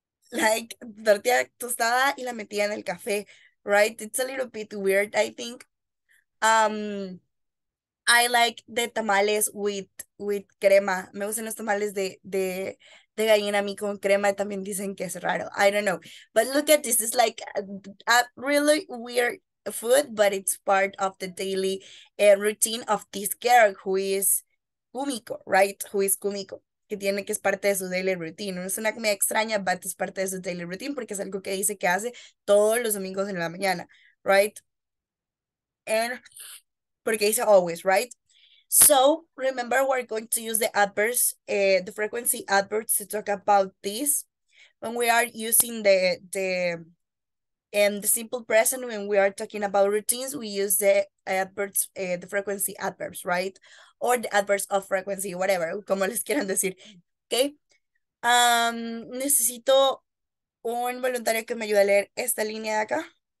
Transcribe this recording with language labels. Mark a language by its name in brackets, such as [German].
[Spanish] Like, tortilla tostada y la metía en el café, right? [English] It's a little bit weird, I think. I like the tamales with crema. [Spanish] Me gustan los tamales de gallina a mí con crema. También dicen que es raro. [English] I don't know. But look at this. It's like a really weird food, but it's part of the daily routine of this girl who is Kumiko, right? Who is Kumiko. [Spanish] Que tiene que es parte de su [English] daily routine. [Spanish] No es una comida extraña, but es parte de su daily routine porque es algo que dice que hace todos los domingos en la mañana, right? [English] And [Spanish] porque dice [English] always, right? So, remember, we're going to use the adverbs, the frequency adverbs to talk about this. When we are using the simple present, when we are talking about routines, we use the adverbs, the frequency adverbs, right? Or the adverbs of frequency, whatever, [Spanish] como les quieran decir, [English] okay? [Spanish] Necesito un voluntario que me ayude a leer esta línea de acá.